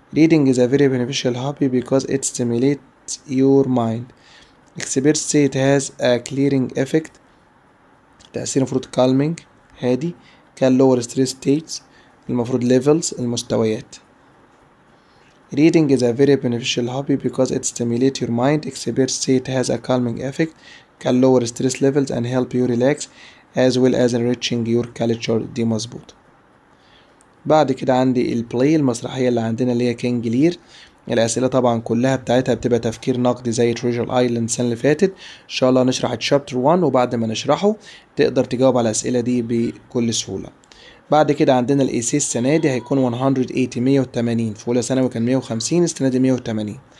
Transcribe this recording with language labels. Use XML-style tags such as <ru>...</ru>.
<en>reading is a very beneficial hobby because it stimulates your mind experts say it has a clearing effect</en> <ar>تأثير المفروض</ar> <en>calming</en> <ar>هادي</ar> <en>can lower stress states</en> <ar>المفروض levels المستويات.</ar> <en>Reading is a very beneficial hobby because it stimulates your mind, experts say it has a calming effect, can lower stress levels and help you relax as well as enriching your culture.</en> <ar>دي مظبوط. بعد كده عندي البلاي المسرحية اللي عندنا اللي هي كينج لير. الأسئلة طبعا كلها بتاعتها بتبقى تفكير نقدي زي تريجر ايلاند السنة اللي فاتت. إن شاء الله نشرح تشابتر 1 وبعد ما نشرحه تقدر تجاوب على الأسئلة دي بكل سهولة. بعد كده عندنا الإيسي السنة دي هيكون 180 في أولى ثانوي كان 150 السنة دي 180.</ar>